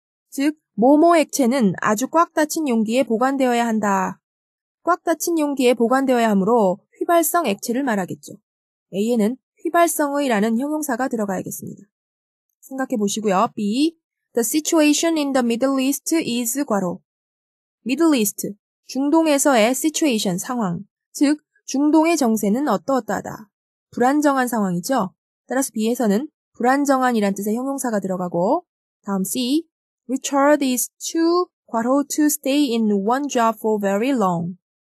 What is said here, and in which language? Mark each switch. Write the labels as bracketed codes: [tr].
[ko] 즉, 뭐뭐 액체는 아주 꽉 닫힌 용기에 보관되어야 한다. 꽉 닫힌 용기에 보관되어야 하므로 휘발성 액체를 말하겠죠. A에는 휘발성의라는 형용사가 들어가야겠습니다. 생각해 보시고요. B. [en] The situation in the Middle East is 괄호. [ko] Middle East, 중동에서의 situation, 상황. 즉, 중동의 정세는 어떠어떠하다. 불안정한 상황이죠. 따라서 B에서는 불안정한이란 뜻의 형용사가 들어가고 다음 C. [en] Richard is too, 괄호, to stay in one job for very long.